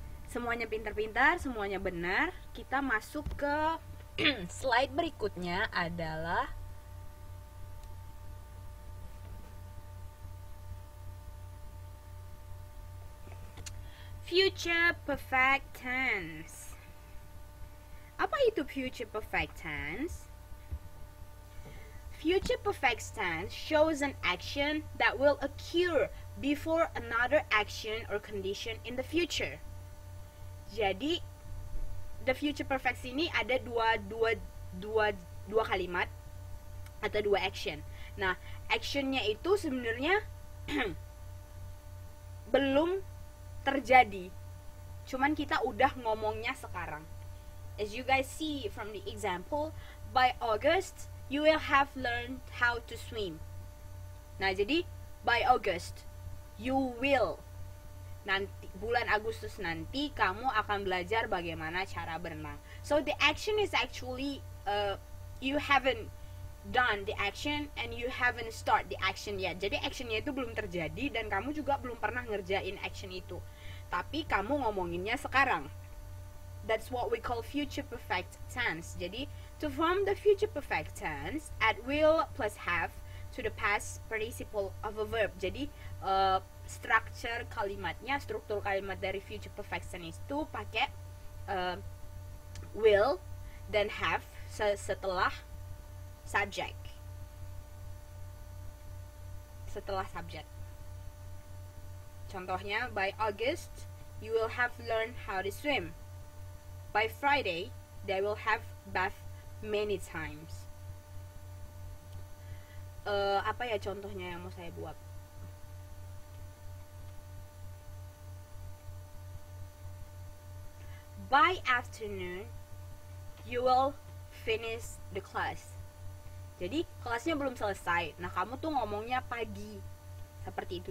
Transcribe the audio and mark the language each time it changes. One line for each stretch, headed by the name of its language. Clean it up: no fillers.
Indonesian: Semuanya pintar-pintar, semuanya benar. Kita masuk ke slide berikutnya adalah future perfect tense. Apa itu future perfect tense?
English: Future perfect tense shows an action that will occur before another action or condition in the future.
Indonesian: Jadi, the future perfect ini ada dua kalimat atau dua action. Nah, actionnya itu sebenarnya belum terjadi. Cuman kita udah ngomongnya sekarang.
English: As you guys see from the example, by August, you will have learned how to swim.
Indonesian: Nah, jadi
English: by August, you will.
Indonesian: Nanti bulan Agustus nanti kamu akan belajar bagaimana cara berenang.
English: So the action is actually you haven't done the action and you haven't start the action yet.
Indonesian: Jadi actionnya itu belum terjadi dan kamu juga belum pernah ngerjain action itu. Tapi kamu ngomonginnya sekarang.
English: That's what we call future perfect tense.
Indonesian: Jadi
English: to form the future perfect tense, add will plus have to the past participle of a verb.
Indonesian: Jadi structure kalimatnya, struktur kalimat dari future perfect tense itu pakai will dan have setelah subject. Setelah subject. Contohnya,
English: by August you will have learned how to swim. By Friday they will have bath many times.
Indonesian: Apa ya contohnya yang mau saya buat?
English: By afternoon, you will finish the class.
Indonesian: Jadi, kelasnya belum selesai. Nah, kamu tuh ngomongnya pagi. Seperti itu.